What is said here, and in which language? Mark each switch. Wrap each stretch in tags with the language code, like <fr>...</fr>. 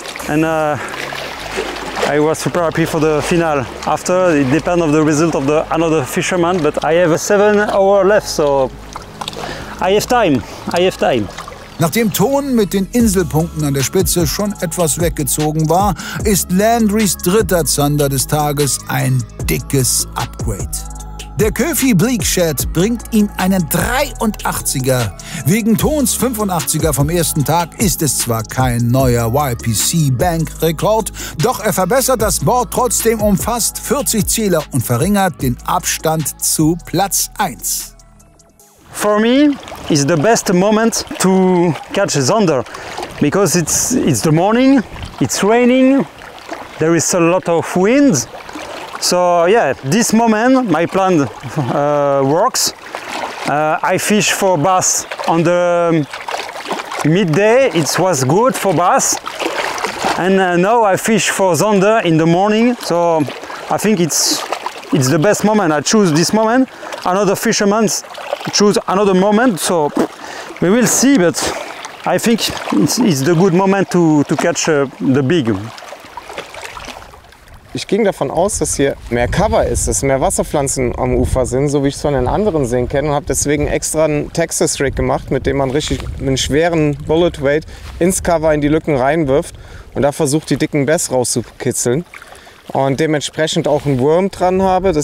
<en>And I was super happy for the final. After, it depends on the result of the another fisherman, but I have 7 hours left, so I have time. I have time.</en> <de>Nachdem Ton mit den Inselpunkten an der Spitze schon etwas weggezogen war, ist Landrys dritter Zander des Tages ein dickes Upgrade. Der Köfi Bleakshed bringt ihm einen 83er. Wegen Tons 85er vom ersten Tag ist es zwar kein neuer YPC-Bank-Rekord, doch er verbessert das Board trotzdem um fast 40 Zähler und verringert den Abstand zu Platz 1.</de> <en>For me, it's the best moment to catch a Zander, because it's the morning, it's raining, there is a lot of wind. So yeah, this moment my plan works. I fish for bass on the midday, it was good for bass. And now I fish for Zander in the morning, so I think it's the best moment. I choose this moment, another fisherman's choose another moment, so we will see, but I think it's the good moment to catch the big.</en> <de>Ich ging davon aus, dass hier mehr Cover ist, dass mehr Wasserpflanzen am Ufer sind, so wie ich es von den anderen Seen kenne, und habe deswegen extra einen Texas Rig gemacht, mit dem man richtig einen schweren Bullet Weight ins Cover in die Lücken reinwirft und da versucht, die dicken Bässe rauszukitzeln und dementsprechend auch einen Wurm dran habe.</de>